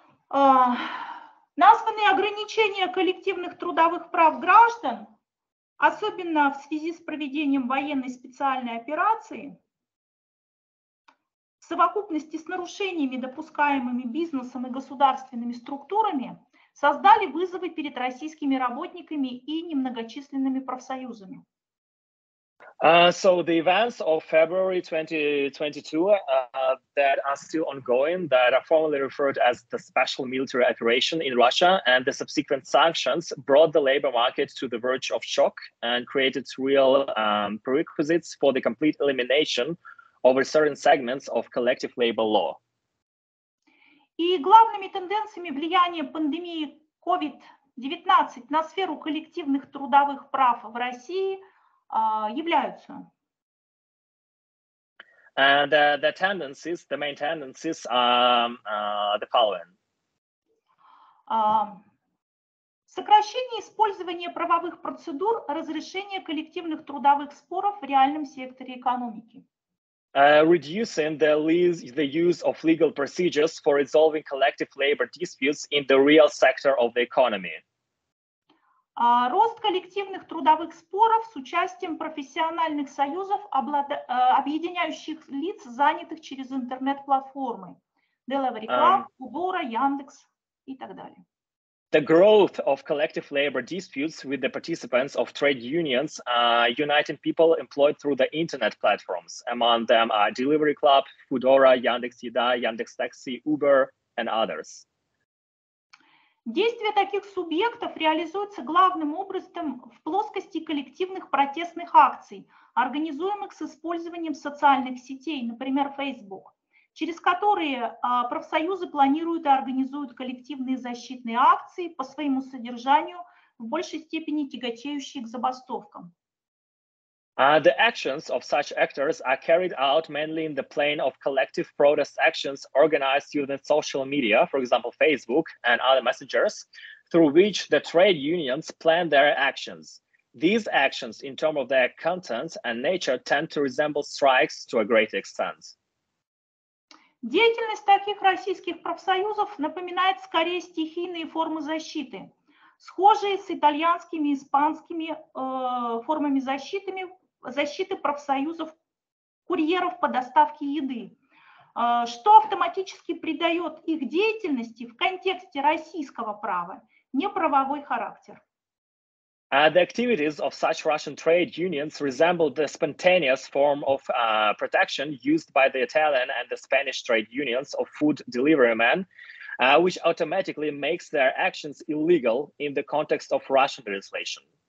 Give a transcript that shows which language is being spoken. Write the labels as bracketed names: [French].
[Russian] Названные ограничения коллективных трудовых прав граждан, особенно в связи с проведением военной специальной операции, в совокупности с нарушениями, допускаемыми бизнесом и государственными структурами, создали вызовы перед российскими работниками и немногочисленными профсоюзами. [English] So the events of February 2022 that are still ongoing, that are formally referred as the special military operation in Russia, and the subsequent sanctions brought the labor market to the verge of shock and created real prerequisites for the complete elimination of certain segments of collective labor law. [Russian] И главными тенденциями влияния пандемии COVID-19 на сферу коллективных трудовых прав в России являются. [English] And the tendencies, the main tendencies are the following. [Russian] Сокращение использования правовых процедур разрешения коллективных трудовых споров в реальном секторе экономики. [English] Reducing the use of legal procedures for resolving collective labor disputes in the real sector of the economy. [Russian] Рост коллективных трудовых споров с участием профессиональных союзов, объединяющих лиц, занятых через интернет-платформы. Делавриклав, Убора, Яндекс и так далее. [English] The growth of collective labor disputes with the participants of trade unions, uniting people employed through the internet platforms. Among them are Delivery Club, Foodora, Yandex Yida, Yandex Taxi, Uber, and others. [Russian] Действия таких субъектов реализуются главным образом в плоскости коллективных протестных акций, организуемых с использованием социальных сетей, например, Facebook, через которые профсоюзы планируют и организуют коллективные защитные акции по своему содержанию, в большей степени тяготеющие к забастовкам. [English] The actions of such actors are carried out mainly in the plane of collective protest actions organized using social media, for example, Facebook and other messengers, through which the trade unions plan their actions. These actions, in terms of their contents and nature, tend to resemble strikes to a great extent. [Russian] Деятельность таких российских профсоюзов напоминает скорее стихийные формы защиты, схожие с итальянскими и испанскими формами защиты профсоюзов курьеров по доставке еды, что автоматически придает их деятельности в контексте российского права неправовой характер. [English] The activities of such Russian trade unions resemble the spontaneous form of protection used by the Italian and the Spanish trade unions of food delivery men, which automatically makes their actions illegal in the context of Russian legislation.